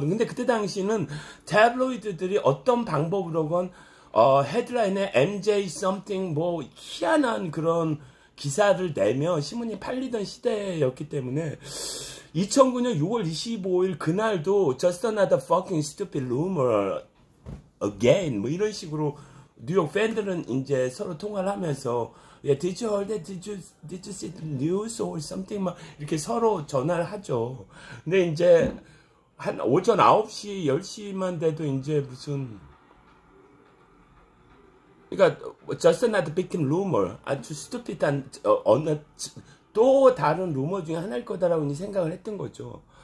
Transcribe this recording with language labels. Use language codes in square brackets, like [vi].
[ko] 근데 그때 당시는 태블로이드들이 어떤 방법으로건 헤드라인에 MJ something 뭐 희한한 그런 기사를 내며 신문이 팔리던 시대였기 때문에, 2009년 6월 25일 그날도 [en] Just another fucking stupid rumor again, [ko] 뭐 이런 식으로 뉴욕 팬들은 이제 서로 통화를 하면서, [en] yeah, did you heard that? Did you see the news or something? [ko] 막 이렇게 서로 전화를 하죠. 근데 이제 한 오전 9시, 10시만 돼도 이제 무슨, 그러니까 [en] just another big rumor, [ko] 아주 스튜피드한 어느 또 다른 루머 중에 하나일 거다라고 이제 생각을 했던 거죠.